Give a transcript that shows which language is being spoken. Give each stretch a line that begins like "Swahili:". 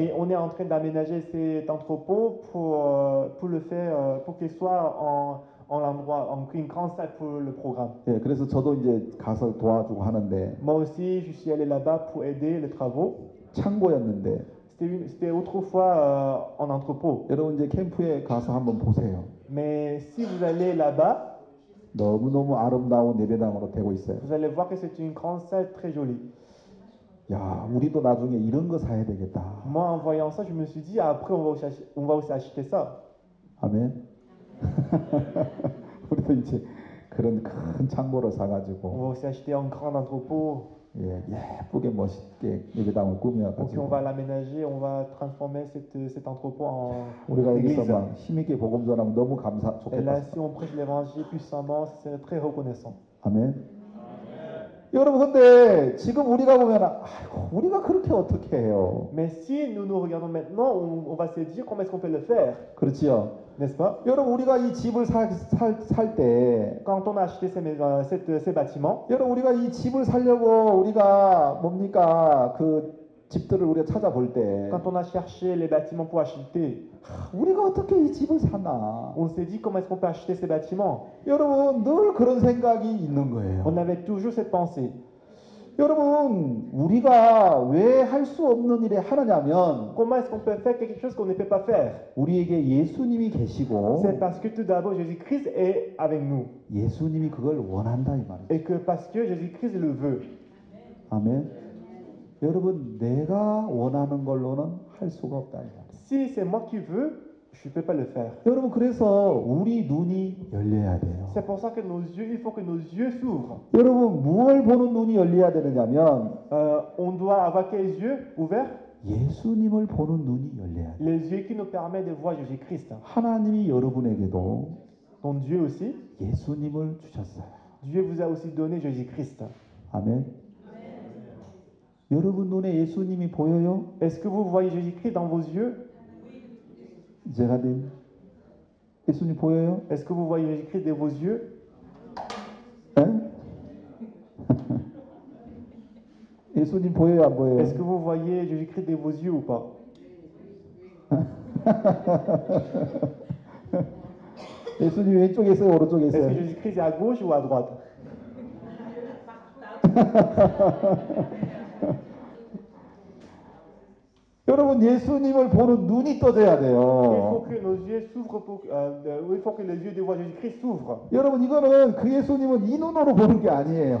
French: Et on est en train d'aménager cet entrepôt pour le faire pour qu'il soit en En l'endroit, en une grande salle pour le programme.
Korean: 예, 그래서 저도 이제 가서 도와주고 하는데.
French: Moi aussi, je suis allé là-bas pour aider les travaux.
Korean: 창고였는데.
French: C'était autrefois un entrepôt.
Korean: 여러분, 이제 캠프에 가서 한번 보세요.
French: Mais si vous allez là-bas,
Korean: 너무너무 아름다운 예배당으로 되고 있어요.
French: Vous allez voir que c'est une grande salle très jolie.
Korean: 야, 우리도 나중에 이런 거 사야 되겠다.
French: Moi, en voyant ça, je me suis dit, après, on va aussi acheter ça. Amen.
Korean: 우리도 이제 그런 큰 창고를 사가지고.
French: On va aussi acheter un grand entrepôt.
Korean: 예, 예쁘게 멋있게 예배당을 꾸며가지고.
French: Okay, on va l'aménager, on va transformer cet entrepôt en.
Korean: 우리가 여기서 막 힘있게 복음 전하면 너무 감사 좋겠다.
French: Et là, si on prêche l'évangile puissamment, ce serait très reconnaissant. Amen.
Korean: 여러분 근데 지금 우리가 보면 우리가 그렇게 어떻게 해요?
French: Mais si nous nous regardons maintenant, on va se dire comment est-ce qu'on peut le faire?
Korean: 그렇지요.
French: N'est-ce pas?
Korean: 여러분 우리가 이 집을 살 때
French: quand on a acheté ces bâtiments,
Korean: 여러분 우리가 이 집을 살려고 우리가 뭡니까? 그 집들을 우리가 찾아볼 때
French: quand on a cherché les bâtiments pour acheter,
Korean: 우리가 어떻게 이 집을 사나?
French: On s'est dit comment est-ce qu'on peut acheter ces bâtiments?
Korean: 여러분 늘 그런 생각이 있는 거예요.
French: On avait toujours cette pensée.
Korean: 여러분 우리가 왜 할 수 없는 일을 하느냐면
French: comment est-ce qu'on peut faire quelque chose qu'on ne peut pas faire?
Korean: 우리에게 예수님이 계시고
French: c'est parce que tout d'abord Jésus-Christ est avec nous.
Korean: 예수님이 그걸 원한다 이 말이죠.
French: Et que parce que Jésus-Christ le veut.
Korean: 아멘. 여러분 내가 원하는 걸로는 할 수가 없다.
French: Si c'est moi qui veux, je peux pas le faire.
Korean: 여러분 그래서 우리 눈이 열려야 돼요.
French: C'est pour ça que nos yeux, il faut que nos yeux s'ouvrent.
Korean: 여러분 뭘 보는 눈이 열려야 되느냐면
French: on doit avoir quels yeux ouverts?
Korean: 예수님을 보는 눈이 열려야 돼요.
French: Les yeux qui nous permettent de voir Jésus-Christ.
Korean: 하나님이 여러분에게도
French: ton Dieu aussi
Korean: 예수님을 주셨어요.
French: Dieu vous a aussi donné Jésus-Christ.
Korean: 아멘. 여러분 눈에 예수님이 보여요?
French: Est-ce que vous voyez Jésus-Christ dans vos yeux?
Korean: 제라딘, 예수님 보여요?
French: Est-ce que vous voyez Jésus-Christ dans vos yeux?
Korean: 응? 예수님 보여요, 안 보여요?
French: Est-ce que vous voyez Jésus-Christ dans vos yeux ou pas?
Korean: 예수님 왼쪽에 있어요, 오른쪽에 있어요?
French: Est-ce que Jésus-Christ est à gauche ou à droite?
Korean: 여러분 예수님을 보는 눈이 떠져야 돼요.
French: Il faut que les yeux de voir Jésus-Christ s'ouvrent.
Korean: 여러분 이거는 그 예수님은 이 눈으로 보는 게 아니에요.